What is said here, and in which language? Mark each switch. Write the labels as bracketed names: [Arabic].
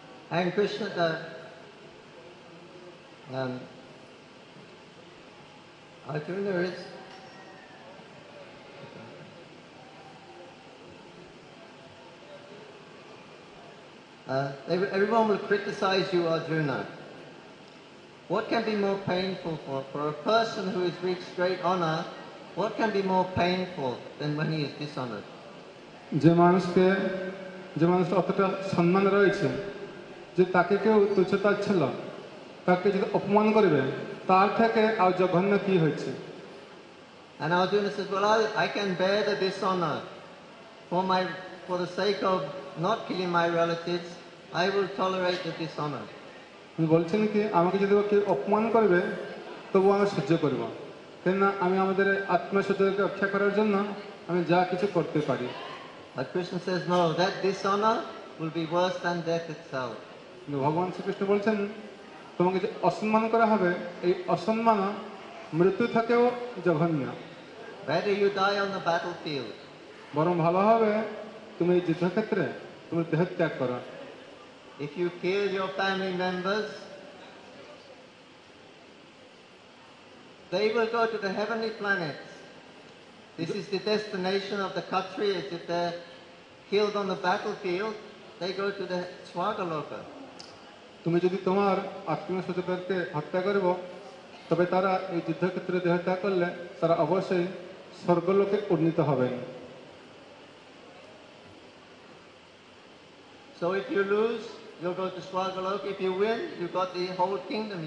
[English] And Krishna, Arjuna is everyone will criticize you, Arjuna. What can be more painful for a person who has reached great honor? What can be more painful than when he is dishonored? [Bangla] যে মানুষকে যে মানুষের অতটা সম্মান রয়েছে যে তাকে কেউ তুচ্ছতা ছিল তাকে যদি অপমান করবে তার থেকে আর জঘন্য কি হয়েছে? [English] And Arjuna says, well, I can bear the dishonor for the sake of not killing my relatives. I will tolerate the dishonor. [Bangla] বলছেন কি আমাকে যদি কেউ অপমান করবে তবু আমি সহ্য করব, কেননা আমি আমাদের আত্মসত্যকে রক্ষা করার জন্য আমি যা কিছু করতে পারি। [English] But Krishna says, no, that dishonor will be worse than death itself. [Bangla] ভগবান শ্রীকৃষ্ণ বলছেন তোমাকে যে অসম্মান করা হবে এই অসম্মান মৃত্যু থেকেও জঘন্য। [English] Better you die on the battlefield. [Bangla] বরং ভালো হবে তুমি যুদ্ধক্ষেত্রে তুমি দেহ ত্যাগ করো। [English] If you kill your family members, they will go to the heavenly planets. This is the destination of the Kshatriyas. If they're killed on the battlefield, they go to the Swargaloka. [Bangla] তুমি যদি তোমার আত্মীয়-স্বজনকে হত্যা করিব তবে তারা এই যুদ্ধক্ষেত্রে দেহ ত্যাগ করলে তারা অবশ্যই স্বর্গলোকে উন্নীত হবেন। [English] So if you lose, you'll go to Swargaloka. If you win, you've got the whole kingdom.